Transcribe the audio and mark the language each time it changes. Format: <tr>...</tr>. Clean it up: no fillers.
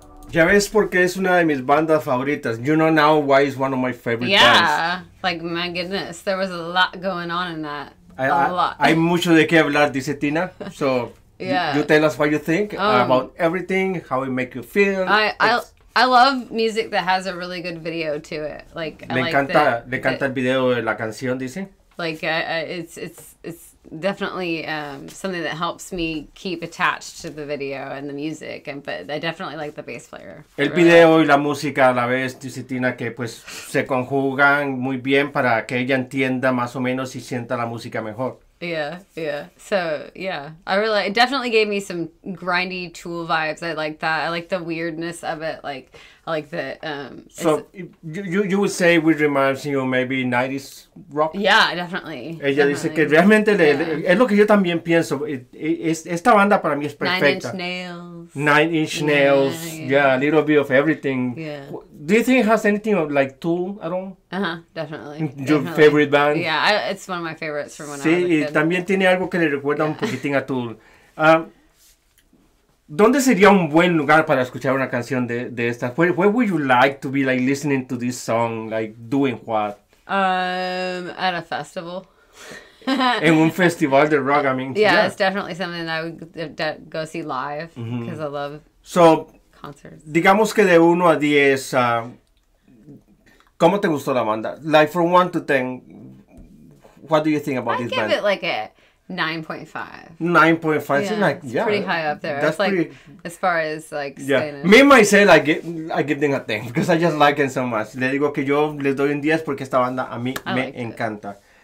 <es>Ya ves por qué es una de mis bandas favoritas.</es> <en>You know now why it's one of my favorite bands. Yeah, like my goodness, there was a lot going on in that. A lot.</en> <es>Hay mucho de qué hablar, dice Tina.</es> <en>So, yeah. You tell us what you think about everything, how it make you feel. I love music that has a really good video to it. Like,</en> <es>Le encanta el video de la canción, dice.</es> <en>Like, it's definitely something that helps me keep attached to the video and the music, but I definitely like the bass player.</en> <es>El video y la música a la vez, dice Tina, que pues se conjugan muy bien para que ella entienda más o menos y sienta la música mejor.</es> <en>Yeah. So, yeah. It definitely gave me some grindy Tool vibes. I like that. I like the weirdness of it. Like, I like the... So, you would say it reminds you of maybe 90s rock? Yeah, definitely.</en> <es>Ella dice que realmente...</es> <en>Yeah.</en> <es>Es lo que yo también pienso. Esta banda para mí es perfecta.</es> <en>Nine Inch Nails. Yeah, a little bit of everything. Yeah. Do you think it has anything of, like, Tool at all? Uh-huh, definitely. Your favorite band? Yeah, it's one of my favorites from when</en> <es>sí,</es> <en>I was a kid.</en> <es>Sí, y también tiene algo que le recuerda un poquitín a Tool. ¿Dónde sería un buen lugar para escuchar una canción de estas?</es> <en>Where would you like to be like listening to this song? Like doing what? At a festival.</en> <es>En un festival de rock,</es> <en>I mean. Yeah, it's definitely something that I would go see live because I love concerts.</en> <es>Digamos que de 1 a 10, ¿cómo te gustó la banda?</es> <en>Like from 1 to 10, what do you think about this band? I'd give it like a 9.5. Yeah, like, it's pretty high up there. That's it's pretty, like, as far as like staying Me myself, I give them a 10 because I just like them so much.</en> <es>Le digo que yo les doy un 10 porque esta banda a mí me encanta.</es>